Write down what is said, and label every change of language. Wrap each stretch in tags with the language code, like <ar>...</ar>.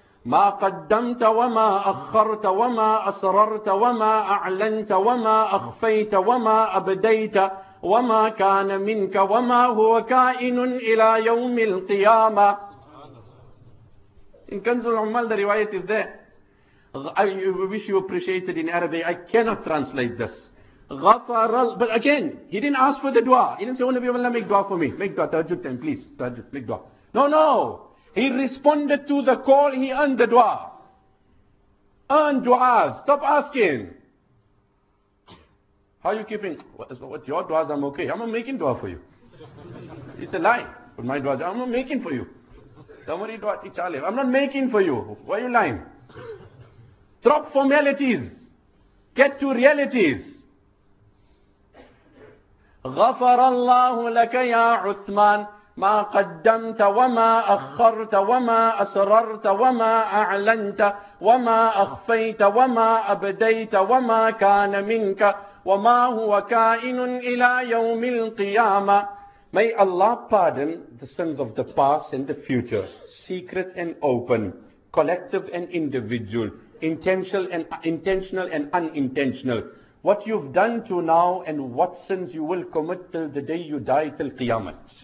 <ar>ما قدمت وما أخرت وما أسررت وما أعلنت وما أخفيت وما أبديت وما كان منك وما هو كائن إلى يوم القيامة.</ar> <en>In Kanz al-Ummal, the riwayat is there. I wish you appreciated in Arabic. I cannot translate this. But again, he didn't ask for the dua. He didn't say, oh Nabi Allah, make dua for me. Make dua, tajud then, please. Tajud, make dua. No, no. He responded to the call, he earned the dua. Earn duas. Stop asking. How are you keeping? What your duas, I'm okay. I'm making dua for you. It's a lie. But my duas, I'm making for you. Don't worry, dua, teach Alif. I'm not making for you. Why are you lying? Drop formalities. Get to realities.</en> <ar>غفر الله لك يا عثمان ما قدمت وما أخرت وما أسررت وما أعلنت وما أخفيت وما أبديت وما كان منك وما هو كائن إلى يوم القيامة.</ar> <en>May Allah pardon the sins of the past and the future, secret and open, collective and individual, intentional and unintentional. What you've done to now and what sins you will commit till the day you die, till Qiyamah.</en>